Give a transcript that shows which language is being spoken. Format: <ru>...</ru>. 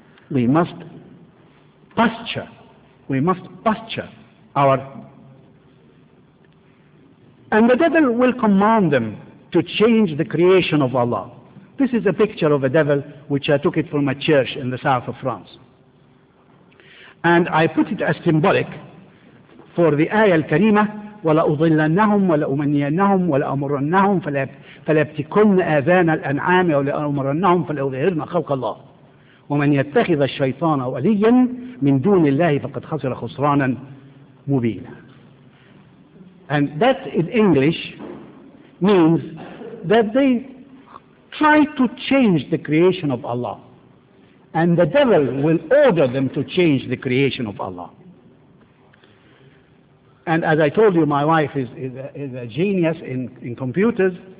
<en>We must pasture. We must pasture our. And the devil will command them to change the creation of Allah. This is a picture of a devil, which I took it from a church in the south of France. And I put it as symbolic for the ayah al-kareemah,</en> <ar>وَلَأُضِلَّنَّهُمْ وَلَأُمَنِّيَنَّهُمْ وَلَأُمُرَنَّهُمْ فَلَيَبْتِكُنَّ آذَانَ الْأَنْعَامِ وَلَأُمُرَنَّهُمْ فَلَيُظْهِرْنَ خَلْقَ اللَّهِ وَمَنْ يَتَّخِذَ الشَّيْطَانَ وَلِيًّا مِنْ دُونِ اللَّهِ فَقَدْ خَسِرَ خُسْرَانًا مُبِينًا.</ar> <en>And that in English means that they try to change the creation of Allah. And the devil will order them to change the creation of Allah. And as I told you, my wife is a genius in computers.</en>